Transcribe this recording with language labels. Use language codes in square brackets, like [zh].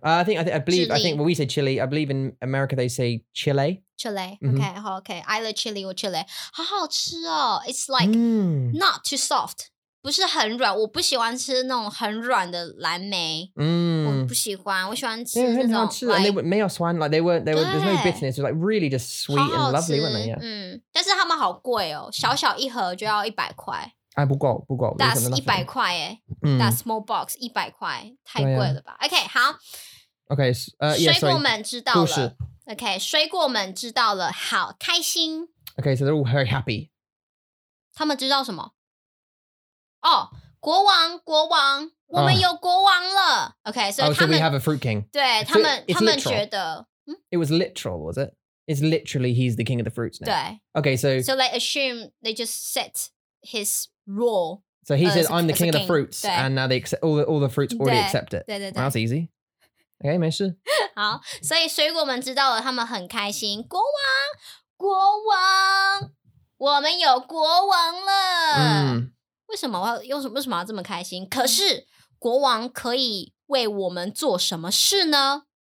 [en] I think when we say Chile, I believe in America they say Chile. Chile,、mm-hmm. okay. I love Chile or Chile. [zh] 好好吃哦 [en] It's like not too soft. [zh] 不是很软，我不喜欢吃那种很软的蓝莓。嗯，我不喜欢，我喜欢吃那种。很好吃 [en] like, and they were, [zh] 没有酸 [en] like, they were, there's no bitterness, it was like really just sweet [zh] 好好吃, [en] and lovely, weren't they? Yeah. [zh] 嗯，但是他们好贵哦，小小一盒就要100块。哎，不够，不够。 [en] That's [zh] 100块耶。 [en] That small box 100块，太贵了吧？OK，好。 OK， [zh] 水果们知道了。OK，水果们知道了，好开心。 [en] OK, so they're all very happy. [zh] 他们知道什么？哦、oh, ，国王，国王，我们有国王了。 OK, 所、 [en] so、 oh, [zh] 他们、 [en] so、we have a fruit king. [zh] 对他们，他们觉得、 [en] It was literal, was it? It's literally he's the king of the fruits now. [zh] 对 [en] OK, so they assume they just set his rule. So he says, I'm the king of the fruits, and now they accept all the fruits already accept it. [zh] 对对对 [en] well, that's easy. OK, [zh] 没事。好，所以水果们知道了，他们很开心。国王，国王，我们有国王了。嗯为什么我要用什么？为什么要这么开心？可是国王可以为我们做什么事呢？